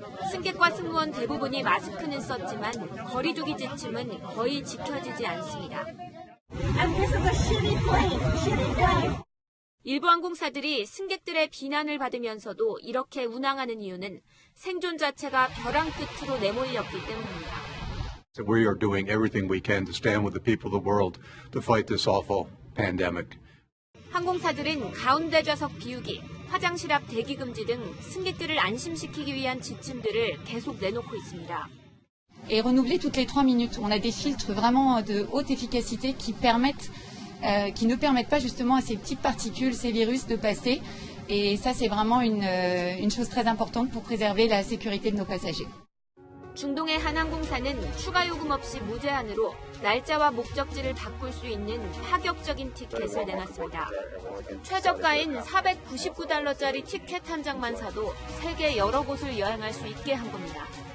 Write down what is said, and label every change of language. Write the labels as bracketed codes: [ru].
[ko] 승객과 승무원 대부분이 마스크는 썼지만 거리두기 지침은 거의 지켜지지 않습니다. [en] And this is a shitty plane. Shitty plane. [ko] 일부 항공사들이 승객들의 비난을 받으면서도 이렇게 운항하는 이유는 생존 자체가 벼랑 끝으로 내몰렸기 때문입니다. [en] So we are doing everything we can to stand with the people of the world to fight this awful pandemic. [ko] 항공사들은 가운데 좌석 비우기, 화장실 앞 대기 금지 등 승객들을 안심시키기 위한 지침들을 계속 내놓고 있습니다. [fr] Et renouveler toutes les 3 minutes. On a des filtres vraiment de haute efficacité qui permettent qui ne permettent pas justement à ces petites particules, ces virus de passer. Et ça, c'est vraiment une chose très importante pour préserver la sécurité de nos passagers. [ko] 중동의 한 항공사는 추가 요금 없이 무제한으로 날짜와 목적지를 바꿀 수 있는 파격적인 티켓을 내놨습니다. 최저가인 499달러짜리 티켓 한 장만 사도 세계 여러 곳을 여행할 수 있게 한 겁니다.